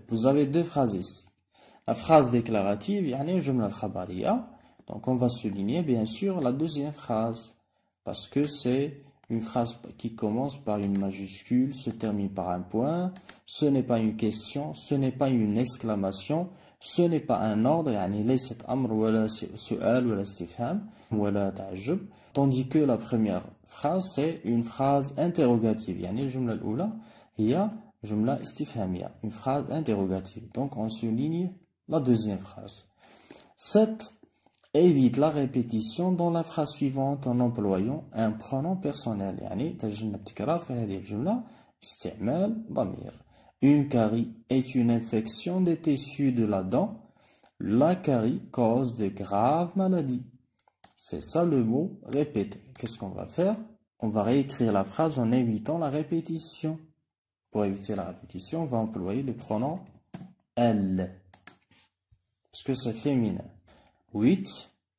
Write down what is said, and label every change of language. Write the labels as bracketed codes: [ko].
[fr] Vous avez deux phrases ici. La phrase déclarative, [ar] يعني جملة الخبرية. [fr] Donc, on va souligner bien sûr la deuxième phrase parce que c'est une phrase qui commence par une majuscule, se termine par un point. Ce n'est pas une question, ce n'est pas une exclamation, Ce n'est pas un ordre, [ar] يعني ليست أمر ولا سؤال ولا استفهام ولا تعجب. [fr] Tandis que la première phrase, c'est une phrase interrogative. [ar] يعني الجملة الأولى هي جملة استفهامية. [fr] Une phrase interrogative. Donc on souligne la deuxième phrase. 7. Évite la répétition dans la phrase suivante en employant un pronom personnel. [ar] يعني تجنب تكرار في هذه الجملة استعمال ضمير. [fr] Une carie est une infection des tissus de la dent. La carie cause de graves maladies. C'est ça le mot répéter. Qu'est-ce qu'on va faire? On va réécrire la phrase en évitant la répétition. Pour éviter la répétition, on va employer le pronom elle. Parce que c'est féminin. 8.